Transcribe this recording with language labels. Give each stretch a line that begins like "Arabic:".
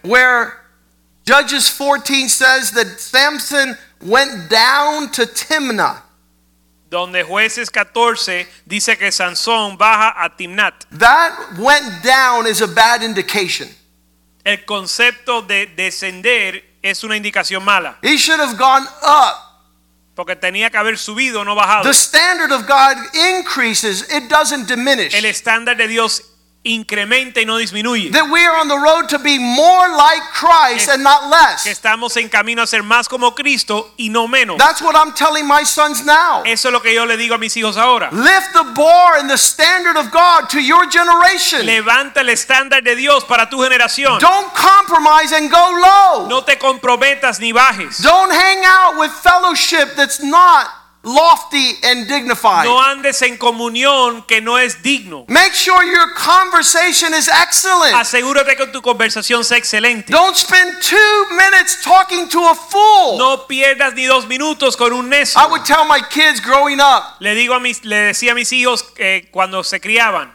English: Where Judges 14 says that Samson went down to Timnah.
Spanish: Donde Jueces 14 dice que Sansón baja a Timnat.
English: That went down is a bad indication.
Spanish: El concepto de descender es una indicación mala.
English: He should have gone up.
Spanish: Porque tenía que haber subido, no bajado.
English: The standard of God increases, it doesn't diminish.
Spanish: El estándar de Dios incrementa y no disminuye.
English: That we are on the road to be more like Christ and not less.
Spanish: Que estamos en camino a ser más como Cristo y no menos.
English: That's what I'm telling my sons now.
Spanish: Eso es lo que yo le digo a mis hijos ahora.
English: Lift the bar and the standard of God to your generation.
Spanish: Levanta el estándar de Dios para tu generación.
English: Don't compromise and go low.
Spanish: No te comprometas ni bajes.
English: Don't hang out with fellowship that's not lofty and dignified.
Spanish: No andes en comunión que no es digno.
English: Make sure your conversation is excellent.
Spanish: Asegúrate que tu conversación sea excelente.
English: Don't spend 2 minutes talking to a fool.
Spanish: No pierdas ni 2 minutos con un necio.
English: I would tell my kids growing up.
Spanish: Le decía a mis hijos cuando se criaban.